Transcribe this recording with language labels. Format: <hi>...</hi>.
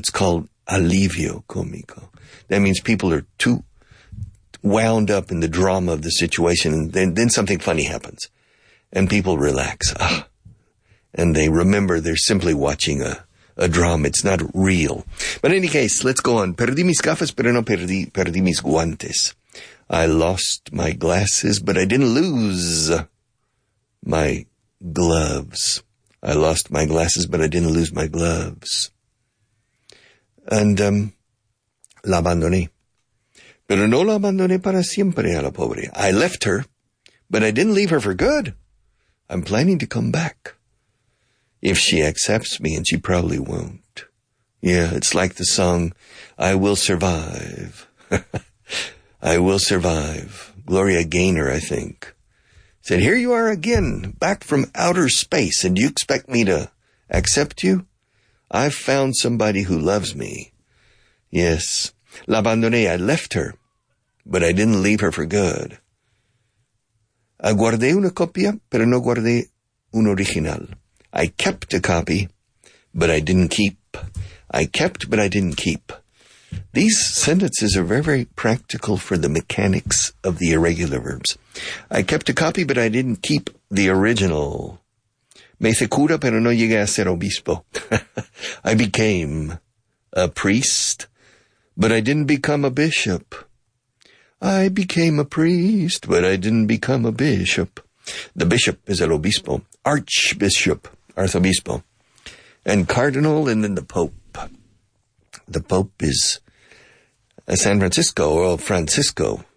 <en>It's called alivio comico. That means people are too wound up in the drama of the situation, and then something funny happens and people relax. Ah, and they remember they're simply watching a drama. It's not real. But in any case, let's go on.</en> <es>Perdí mis gafas, pero no perdí mis guantes.</es> <en>I lost my glasses, but I didn't lose my gloves. I lost my glasses, but I didn't lose my gloves.</en> <es>And la abandoné. Pero no la abandoné para siempre a la pobre.</es> <en>I left her, but I didn't leave her for good. I'm planning to come back. If she accepts me, and she probably won't. Yeah, it's like the song, I Will Survive. I Will Survive. Gloria Gaynor, I think, said, here you are again, back from outer space, and you expect me to accept you? I've found somebody who loves me. Yes.</en> <es>La abandoné,</es> <en>I left her, but I didn't leave her for good.</en> <es>Guardé una copia, pero no guardé un original.</es> <en>I kept a copy, but I didn't keep. I kept, but I didn't keep. These sentences are very, very practical for the mechanics of the irregular verbs. I kept a copy, but I didn't keep the original.</en> <es>Me hice cura, pero no llegué a ser obispo.</es> <en>I became a priest, but I didn't become a bishop. I became a priest, but I didn't become a bishop. The bishop is el obispo. Archbishop, arzobispo. And cardinal, and then the pope. The pope is San Francisco, or Francisco.</en>